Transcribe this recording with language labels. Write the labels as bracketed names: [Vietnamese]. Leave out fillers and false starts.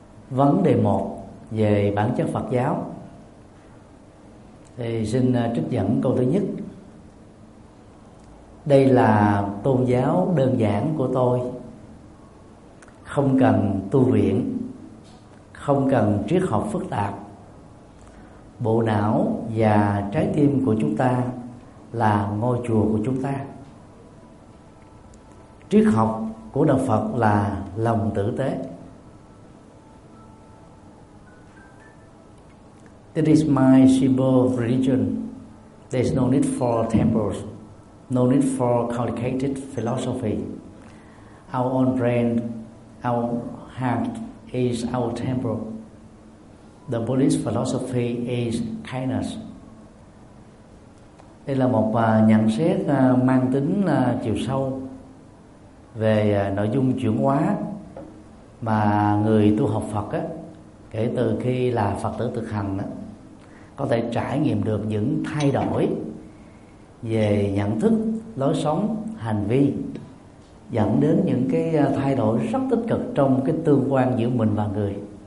[Vietnamese] Vấn đề 1 về bản chất Phật giáo thì xin trích dẫn câu thứ nhất: đây là tôn giáo đơn giản của tôi, không cần tu viện, không cần triết học phức tạp. Bộ não và trái tim của chúng ta là ngôi chùa của chúng ta. Triết học của Đạo Phật là lòng tử tế. [English] It is my simple religion. There is no need for temples, no need for complicated philosophy. Our own brain, our heart is our temple. The Buddhist philosophy is kindness. [Vietnamese] Đây là một nhận xét mang tính chiều sâu về nội dung chuyển hóa mà người tu học Phật á, kể từ khi là Phật tử thực hành á, có thể trải nghiệm được những thay đổi về nhận thức, lối sống, hành vi, dẫn đến những cái thay đổi rất tích cực trong cái tương quan giữa mình và người.